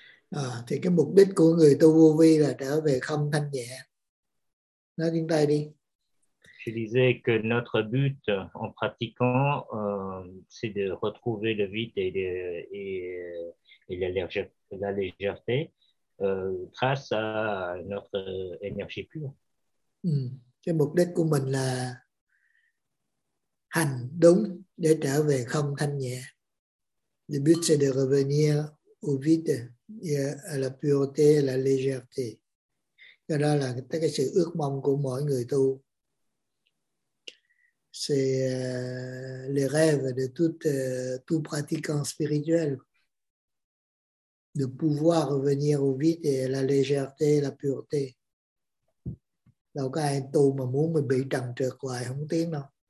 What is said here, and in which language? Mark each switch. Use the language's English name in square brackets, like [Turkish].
[Vietnamese] À, thì cái mục đích của người tu vô vi là trở về không thanh nhẹ. Nói tiếng Tây đi. [French] Je disais que notre but en pratiquant c'est de retrouver le vide et la légèreté grâce à notre énergie pure. [Vietnamese] Cái mục đích của mình là hành đúng để trở về không thanh nhẹ. [French] Le but c'est de revenir au vide. Yeah, à la pureté, à la légèreté. Cái đó là tất cả sự ước mong của mỗi người tu. C'est le rêve de tout pratiquant spirituel de pouvoir revenir au vide et à la légèreté, à la pureté. [Vietnamese] Đâu có ai tu mà muốn mình bị trần trượt hoài không tiến đâu.